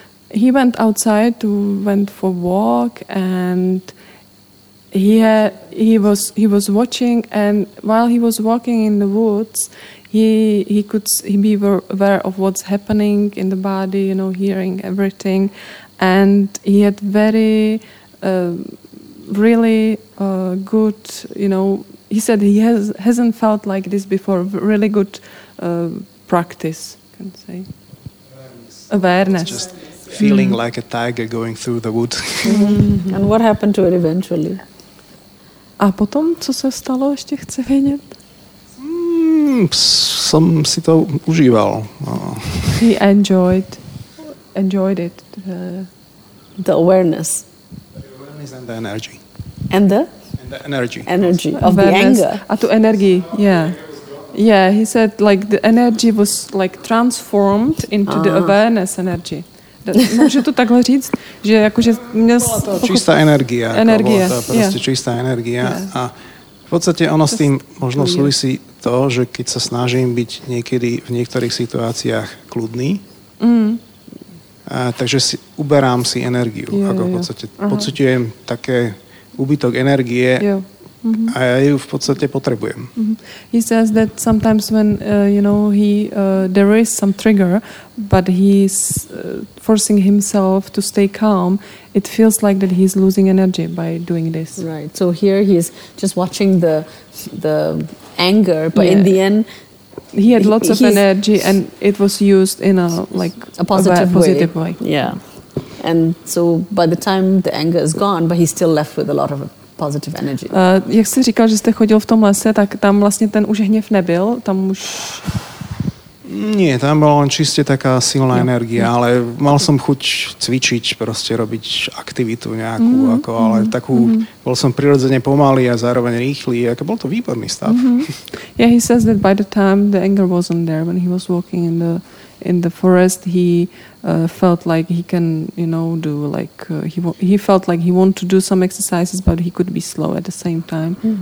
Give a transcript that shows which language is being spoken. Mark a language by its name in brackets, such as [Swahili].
[English] He went outside to went for walk, and he was watching, and while he was walking in the woods, he could be aware of what's happening in the body, you know, hearing everything, and he had very really good, you know, he said he hasn't felt like this before, really good practice, I can say. Awareness. Just feeling like a tiger going through the woods. And what happened to it eventually? [Czech] A potom, co se stalo, ještě chce vědět? Jsem si to užíval. [English] He enjoyed it. The awareness. And the energy. And the energy. Of the anger. [Czech] A tu energii, yeah. [English] Yeah, he said like the energy was like transformed into the awareness energy. [Czech] Můžu to takhle říct, že jakože měl... Čistá energie. Čistá energie. A v podstatě ono s tím možno souvisí to, že keď se snažím být někdy v některých situacích kludný, takže si uberám si energii. Jako v podstatě pocitujem také úbytok energie a já ji v podstatě potřebujem. [English] He says that sometimes when you know he there is some trigger, but he's forcing himself to stay calm, it feels like that he's losing energy by doing this. Right. So here he's just watching the anger, but in the end he had lots of energy and it was used in a positive way. Yeah. And so by the time the anger is gone, but he's still left with a lot of positive energy. [Czech] Jak jste říkal, že jste chodil v tom lese, tak tam vlastně ten už hněv nebyl, tam už... Nie, tam byla on čistě taká silná energie, ale mal jsem chuť cvičit, prostě robiť aktivitu nějakou, ale takovou, byl jsem přirozeně pomalý a zároveň rychlý, jako byl to výborný stav. [English] Yeah, he says that by the time the anger wasn't there, when he was walking in the forest, he felt like he can, you know, do like he felt like he want to do some exercises, but he could be slow at the same time.